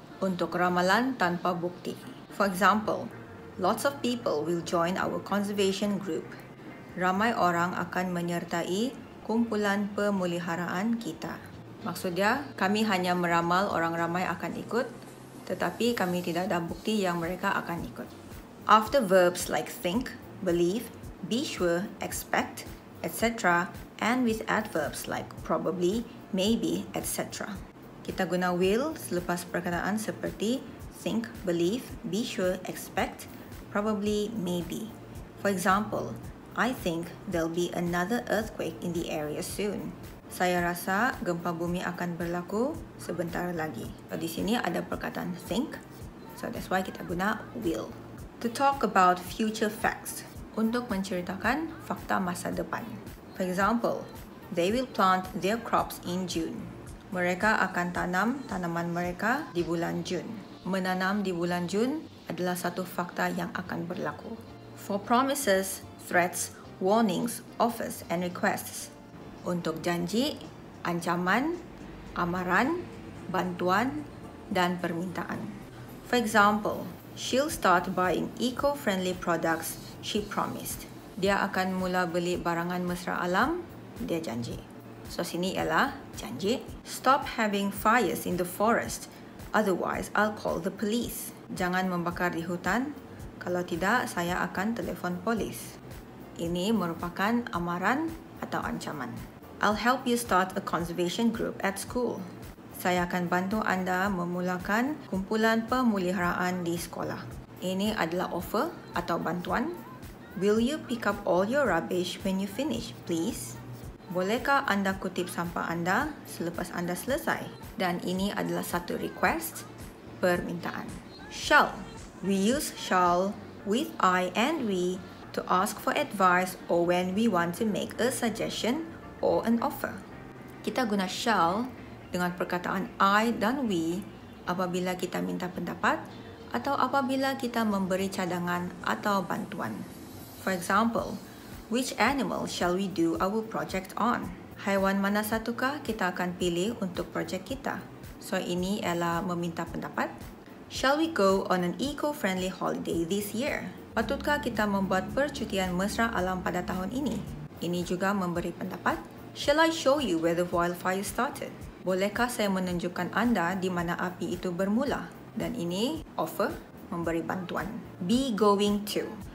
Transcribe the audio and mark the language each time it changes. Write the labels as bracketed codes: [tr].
[ms] Untuk ramalan tanpa bukti. [en] For example, lots of people will join our conservation group. [ms] Ramai orang akan menyertai kumpulan pemuliharaan kita. Maksudnya, kami hanya meramal orang ramai akan ikut, tetapi kami tidak ada bukti yang mereka akan ikut. [en] After verbs like think, believe, be sure, expect, etc., and with adverbs like probably, maybe, etc. [ms] Kita guna will selepas perkataan seperti think, believe, be sure, expect, probably, maybe. [en] For example, I think there'll be another earthquake in the area soon. [ms] Saya rasa gempa bumi akan berlaku sebentar lagi. So, di sini ada perkataan think, [en] so that's why [ms] kita guna will. [en] To talk about future facts, [ms] untuk menceritakan fakta masa depan. [en] For example, they will plant their crops in June. [ms] Mereka akan tanam tanaman mereka di bulan Jun. Menanam di bulan Jun adalah satu fakta yang akan berlaku. [en] For promises, threats, warnings, offers, and requests. [ms] Untuk janji, ancaman, amaran, bantuan, dan permintaan. [en] For example, she'll start buying eco-friendly products she promised. [ms] Dia akan mula beli barangan mesra alam, dia janji. So, sini ialah janji. [en] Stop having fires in the forest, otherwise I'll call the police. [ms] Jangan membakar di hutan, kalau tidak saya akan telefon polis. Ini merupakan amaran atau ancaman. [en] I'll help you start a conservation group at school. [ms] Saya akan bantu anda memulakan kumpulan pemuliharaan di sekolah. Ini adalah offer atau bantuan. [en] Will you pick up all your rubbish when you finish, please? [ms] Bolehkah anda kutip sampah anda selepas anda selesai? Dan ini adalah satu request, permintaan. Shall. [en] We use shall with I and we to ask for advice or when we want to make a suggestion or an offer. [ms] Kita guna shall dengan perkataan I dan we apabila kita minta pendapat atau apabila kita memberi cadangan atau bantuan. [en] For example, which animal shall we do our project on? [ms] Haiwan mana satukah kita akan pilih untuk projek kita? So ini ialah meminta pendapat. [en] Shall we go on an eco-friendly holiday this year? [ms] Patutkah kita membuat percutian mesra alam pada tahun ini? Ini juga memberi pendapat. [en] Shall I show you where the wildfire started? [ms] Bolehkah saya menunjukkan anda di mana api itu bermula? Dan ini offer, memberi bantuan. Be going to.